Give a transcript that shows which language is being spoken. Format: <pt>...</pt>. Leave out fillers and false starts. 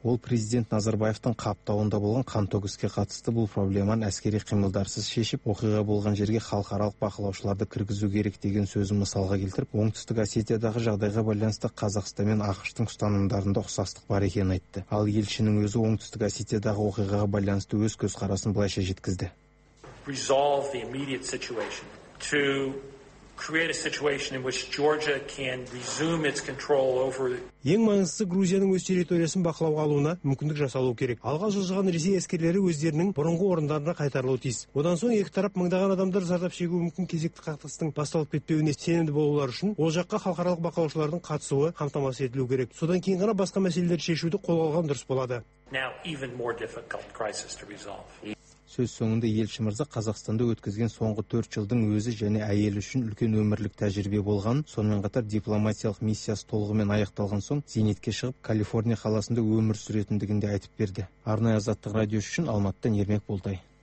<kk>Ол президент Назарбаевтың қаптауында болған қантөгіске қатысты бұл проблеманы әскери қимылдарсыз шешіп, оқиға болған жерге халықаралық бақылаушыларды кіргізу керек деген сөзін мысалға келтіріп, оңтүстік Осетиядағы жағдайға байланысты Қазақстан мен ақыштың ұстанымдарында ұқсастық бар екенін айтты. Ал елшінің өзі оңтүстік Осетиядағы оқиға байланысты өз көзқарасын былайша жеткізді.</kk> <en>Resolve the immediate situation to create a situation in which Georgia can resume its control over.</en> <kk>Ең маңыздысы Грузияның өз территориясын бақылауға алуына мүмкіндік жасалу керек. Алға жылжыған Ресей әскерлері өздерінің бұрынғы орындарына қайтарылуы тиіс. Одан соң екі тарап мыңдаған адамдар зардап шегуі мүмкін кезекті қақтығыстың басталып кетпеуіне сенімді болулары үшін ол жаққа халықаралық бақылаушылардың қатысуы қамтамасыз етілуі керек. Содан кейін ғана басқа мәселелерді шешуді қолға алған дұрыс болады.</kk> <en>Now even more difficult crisis to resolve.</en> <kk>Сөз соңында елші мырза Қазақстанда өткізген соңғы 4 жылдың өзі және әйелі үшін үлкен өмірлік тәжірибе болған, сонымен қатар дипломатиялық миссиясы толығымен аяқталған соң зейнетке шығып Калифорния қаласында өмір сүретіндігін де айтып берді. Арнай Азаттық радио үшін Алматыдан Ермек Болтай.</kk>